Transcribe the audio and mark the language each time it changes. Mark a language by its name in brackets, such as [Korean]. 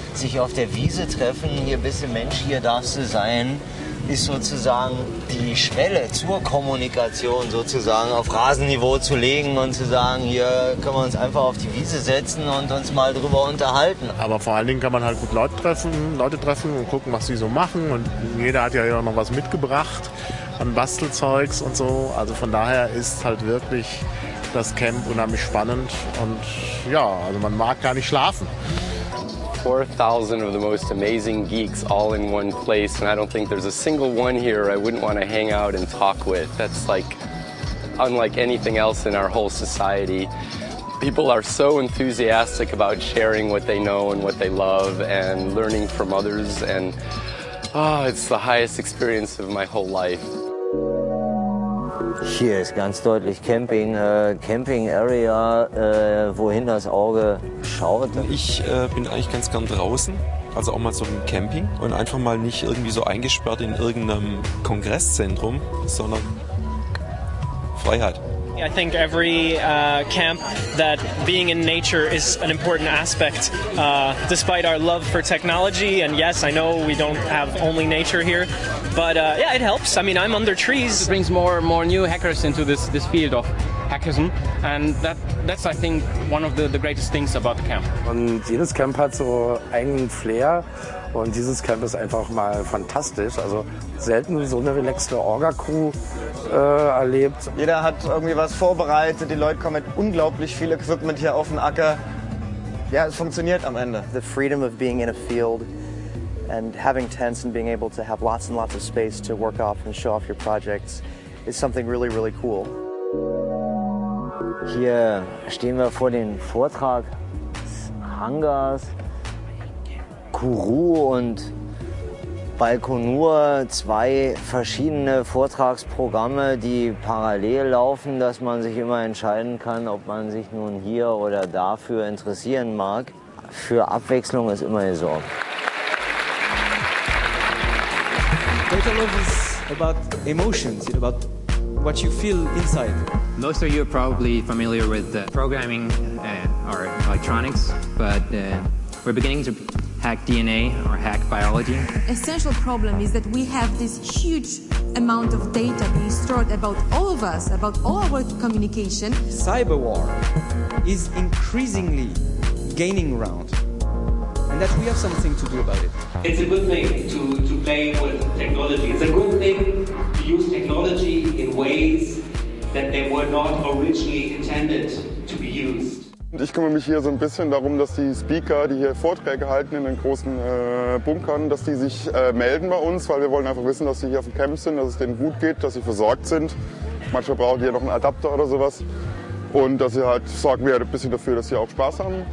[German] Sich auf der Wiese treffen, hier bist du Mensch, hier darfst du sein, ist sozusagen die Schwelle zur Kommunikation sozusagen auf Rasenniveau zu legen und zu sagen, hier können wir uns einfach auf die Wiese setzen und uns mal drüber unterhalten. Aber vor allen Dingen kann man halt gut Leute treffen und gucken, was sie so machen. Und jeder hat ja hier auch noch was mitgebracht an Bastelzeugs und so. Also von daher ist halt wirklich das Camp unheimlich spannend. Und ja, also man mag gar nicht schlafen. [English] 4,000 of the most amazing geeks all in one place, and I don't think there's a single one here I wouldn't want to hang out and talk with. That's like unlike anything else in our whole society. People are so enthusiastic about sharing what they know and what they love and learning from others, and it's the highest experience of my whole life. [German] Hier ist ganz deutlich Camping, Camping Area, wohin das Auge schaut. Ich bin eigentlich ganz gern draußen, also auch mal so im Camping und einfach mal nicht irgendwie so eingesperrt in irgendeinem Kongresszentrum, sondern Freiheit. [English] I think every camp that being in nature is an important aspect, despite our love for technology. And yes, I know we don't have only nature here, but yeah, it helps. I mean, I'm under trees. It brings more new hackers into this field of hackism, and that's I think one of the greatest things about the camp. [German] Und jedes Camp hat so eigenen Flair. Und dieses Camp ist einfach mal fantastisch. Also selten so eine relaxte Orga-Crew erlebt. Jeder hat irgendwie was vorbereitet. Die Leute kommen mit unglaublich viel Equipment hier auf den Acker. Ja, es funktioniert am Ende. The freedom of being in a field and having tents and being able to have lots and lots of space to work off and show off your projects is something really, really cool. Hier stehen wir vor dem Vortrag des Hangars. Kourou und Baikonur, zwei verschiedene Vortragsprogramme, die parallel laufen, dass man sich immer entscheiden kann, ob man sich nun hier oder dafür interessieren mag. Für Abwechslung ist immer gesorgt. [English] Data Love is about emotions, about what you feel inside. Most of you are probably familiar with programming or electronics, but we're beginning to hack DNA or hack biology. Essential problem is that we have this huge amount of data being stored about all of us, about all our communication. Cyber war is increasingly gaining ground, and that we have something to do about it. It's a good thing to play with technology. It's a good thing to use technology in ways that they were not originally intended to be used. [German] Und ich kümmere mich hier so ein bisschen darum, dass die Speaker, die hier Vorträge halten in den großen Bunkern, dass die sich melden bei uns, weil wir wollen einfach wissen, dass sie hier auf dem Camp sind, dass es denen gut geht, dass sie versorgt sind. Manchmal brauchen die ja noch einen Adapter oder sowas. Und dass sie halt, sorgen wir ein bisschen dafür, dass sie auch Spaß haben.